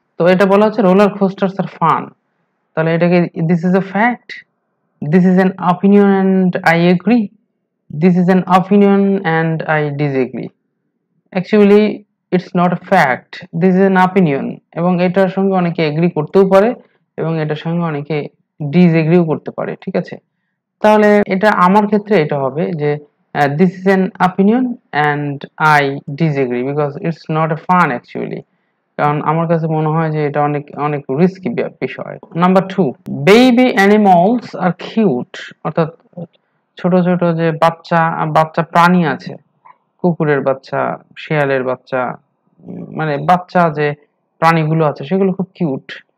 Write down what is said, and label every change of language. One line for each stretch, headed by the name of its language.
Bangla: তো এটা বলা হচ্ছে
English: Roller coasters are fun.
Bangla: তাহলে এটাকে
English: This is a fact, this is an opinion and I agree, this is an opinion and I disagree. Actually it's not a fact, this is an opinion.
Bangla: এবং এটার সঙ্গে অনেকে এগ্রি করতেও পারে এবং এটার সঙ্গে অনেকে ডিসএগ্রিও করতে পারে. ঠিক আছে, তাহলে এটা আমার ক্ষেত্রে এটা হবে যে
English: this is an opinion and I disagree because it's not a fun actually.
Bangla: কারণ আমার কাছে মনে হয় যে এটা অনেক অনেক রিস্কি বিষয়।
English: number two, baby animals are cute,
Bangla: অর্থাৎ ছোট ছোট যে বাচ্চা বাচ্চা প্রাণী আছে, কুকুরের বাচ্চা, শেয়ালের বাচ্চা, মানে বাচ্চা যে প্রাণীগুলো আছে সেগুলো খুব কিউট।